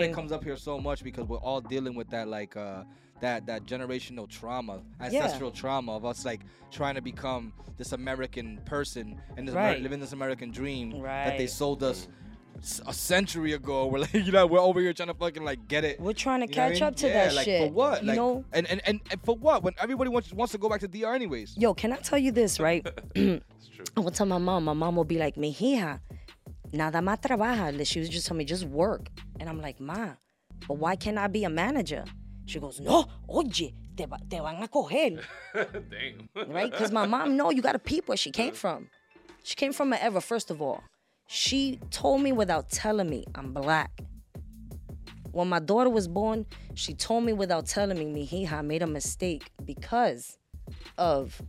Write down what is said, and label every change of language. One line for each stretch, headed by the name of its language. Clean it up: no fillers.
English: That topic comes up here so much because we're all dealing with that, like, that generational trauma, ancestral trauma of us, like, trying to become this American person and living this American dream that they sold us a century ago. We're like, you know, we're over here trying to fucking, like, get it. We're trying to catch up to that shit. Yeah, like, for what? You know? And for what? When everybody wants to go back to DR anyways. Yo, can I tell you this, right? I will tell my mom. My mom will be like,
Spanish: mijija, nada más trabaja.
English: She was just telling me, just work. And I'm like, ma, but why can't I be a manager? She goes,
Spanish: no, oye, te van a coger.
English: Damn. Right? Because my mom, no, you got to peep where she came from. She came from wherever, first of all. She told me without telling me I'm black. When my daughter was born, she told me without telling me, mijija, I made a mistake because of...